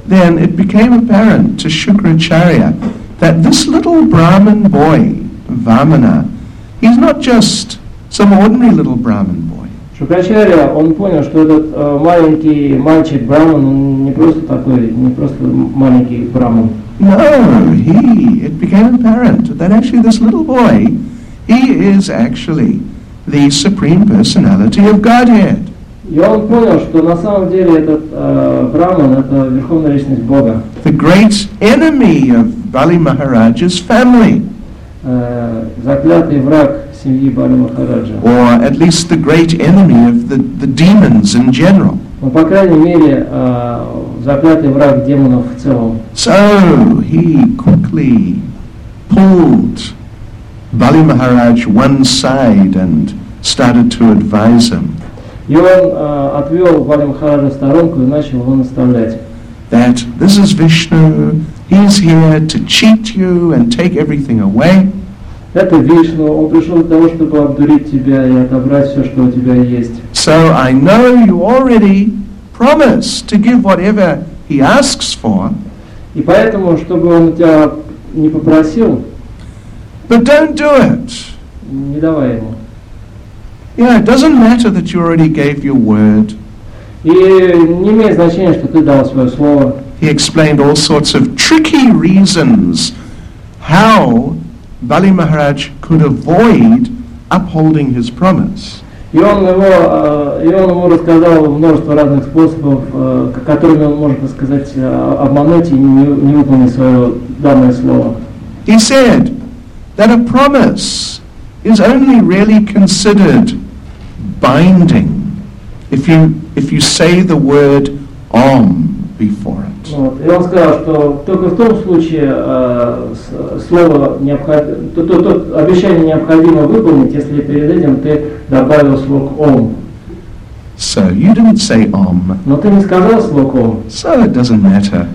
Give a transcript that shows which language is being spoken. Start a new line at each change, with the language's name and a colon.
English: then it became apparent to Shukracharya that this little Brahmin boy, Vamana, he's not just some ordinary little Brahmin boy.
Russian: Шукрачарья, он понял, что этот маленький мальчик Брахман, он не просто такой, не просто маленький Брахман.
English: No, he, it became apparent that actually this little boy, he is actually the Supreme Personality of Godhead.
Russian: И он понял, что на самом деле этот Брахман, это Верховная Личность Бога.
English: The great enemy of Bali Maharaj's family.
Russian: Заклятый враг семьи Бали Махараджа.
English: Or at least the great enemy of the demons in general.
Russian: Ну, по крайней мере, заклятый враг демонов в целом.
English: So he quickly pulled Bali Maharaj one side and started to advise him.
Russian: И он отвел Бали Махараджа в сторонку и начал его наставлять.
English: That this is Vishnu, he's here to cheat you and take everything away.
Russian: Это Вишну, он пришел для того, чтобы обдурить тебя и отобрать все, что у тебя есть.
English: So I know you already promised to give whatever he asks for.
Russian: И поэтому, чтобы он тебя не попросил.
English: But don't do it.
Russian: Не давай ему.
English: Yeah, it doesn't matter that you already gave your word.
Russian: И не имеет значения, что ты дал свое слово.
English: He explained all sorts of tricky reasons how Bali Maharaj could avoid upholding his promise.
Russian: И он его, ему рассказал множество разных способов, которыми он может, так сказать, обмануть и не выполнить свое данное слово.
English: He said that a promise is only really considered binding if you say the word Om before it.
Russian: Вот. И он сказал, что только в том случае слово обещание необходимо выполнить, если перед этим ты добавил слог Ом.
English: So you didn't say Om.
Russian: Но ты не сказал слог Ом.
English: So it doesn't matter.